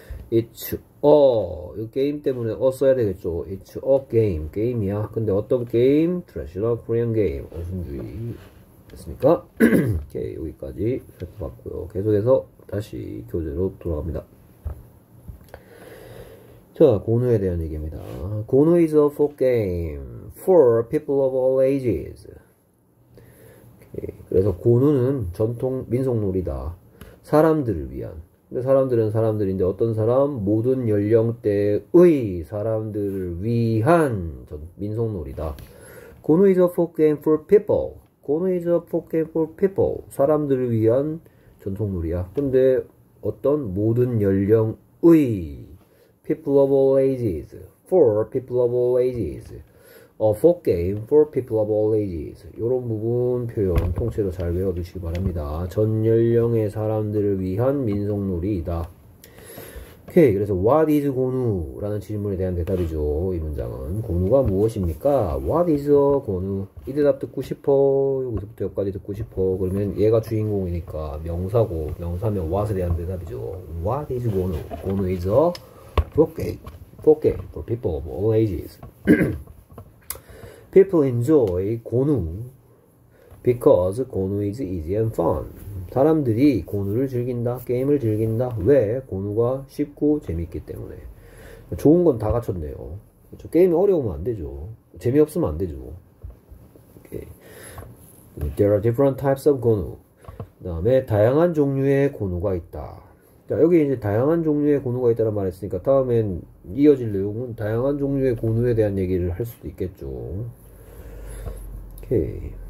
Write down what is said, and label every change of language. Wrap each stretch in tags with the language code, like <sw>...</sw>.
<ko>It's a 이 게임 때문에 어 써야 되겠죠.</ko> <en>It's a game. 게임이야. 근데 어떤 게임? Traditional Korean game.</en> <ko>어순주의 됐습니까? 오케이 여기까지 살펴봤고요. 계속해서 다시 교재로 돌아갑니다. 자 고누에 대한 얘기입니다.</ko> <en>고누 is a folk game for people of all ages.</en> <ko>그래서 고누는 전통 민속놀이다. 사람들을 위한 근데 사람들은 사람들인데 어떤 사람? 모든 연령대의 사람들을 위한 민속놀이다.</ko> <en>Kono is a folk game for people. Kono is a folk game for people.</en> <ko>사람들을 위한 전통놀이야.</ko> <en>근데 어떤 모든 연령의 people of all ages, for people of all ages, a folk game for people of all ages.</en> <ko>이런 부분 표현 통째로 잘 외워두시기 바랍니다. 전 연령의 사람들을 위한 민속놀이이다. 오케이, 그래서 what is 고누라는 질문에 대한 대답이죠. 이 문장은 고누가 무엇입니까? What is a 고누? 이 대답 듣고 싶어. 여기서부터 여기까지 듣고 싶어. 그러면 얘가 주인공이니까 명사고, 명사면 what에 대한 대답이죠.</ko> <en>What is 고누? 고누 is a folk game for people of all ages. People enjoy 고누 because 고누 is easy and fun.</en> <ko>사람들이 고누를 즐긴다, 게임을 즐긴다. 왜? 고누가 쉽고 재밌기 때문에. 좋은 건다 갖췄네요. 그렇죠? 게임이 어려우면 안 되죠. 재미없으면 안 되죠.</ko> <en>There are different types of 고누.</en> <ko>그다음에 다양한 종류의 고누가 있다. 자, 여기 이제 다양한 종류의 고누가 있다라고 말했으니까 다음엔 이어질 내용은 다양한 종류의 고누에 대한 얘기를 할 수도 있겠죠. 오케이.</ko>